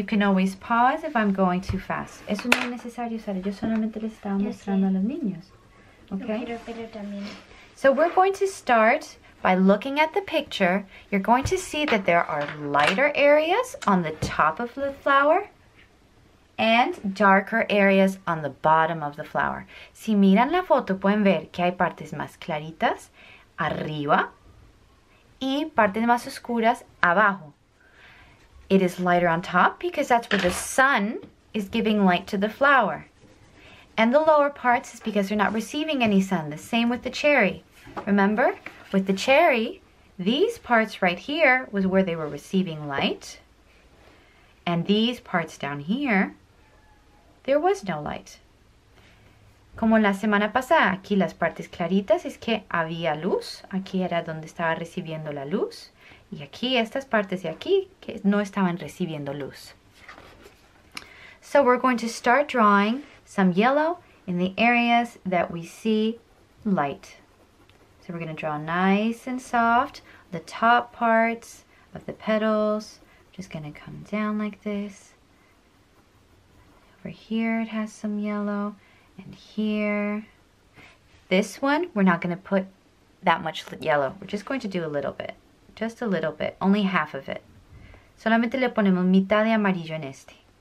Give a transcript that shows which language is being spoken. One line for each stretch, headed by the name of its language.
English: You can always pause if I'm going too fast.
Spanish: Eso no es necesario, Sara. Yo solamente les estaba mostrando a los niños.
English: Okay?
Spanish: Yo quiero verlo también.
English: So we're going to start by looking at the picture. You're going to see that there are lighter areas on the top of the flower and darker areas on the bottom of the flower.
Spanish: Si miran la foto, pueden ver que hay partes más claritas arriba y partes más oscuras abajo.
English: It is lighter on top because that's where the sun is giving light to the flower. And the lower parts is because they're not receiving any sun. The same with the cherry. Remember, with the cherry, these parts right here was where they were receiving light. And these parts down here, there was no light.
Spanish: Como la semana pasada, aquí las partes claritas es que había luz. Aquí era donde estaba recibiendo la luz. Y aquí, estas partes de aquí, que no estaban recibiendo luz.
English: So we're going to start drawing some yellow in the areas that we see light. So we're going to draw nice and soft the top parts of the petals. Just going to come down like this. Over here it has some yellow. And here. This one, we're not going to put that much yellow. We're just going to do a little bit. Just a little bit, only half of it.
Spanish: Solamente le ponemos mitad de amarillo en este.